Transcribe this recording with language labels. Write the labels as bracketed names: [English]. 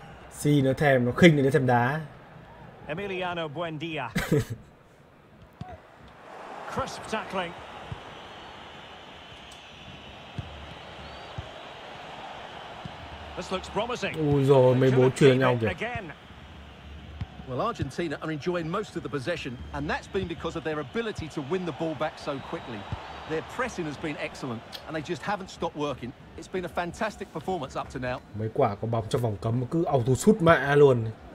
[Vietnamese] Si nó thèm, nó khinh thì nó thèm đá. [English] Emiliano Buendia. Crisp tackling. This looks promising. [Vietnamese] Ôi dồi, mấy bố chuyền nhau kìa. [English] Well, Argentina are enjoying most of the possession, and that's been because of their ability to win the ball back so quickly. Their pressing has been excellent, and they just haven't stopped working. It's been a fantastic performance up to now. [Vietnamese] Mấy quả có bóng trong vòng cấm mà cứ auto sút mẹ luôn.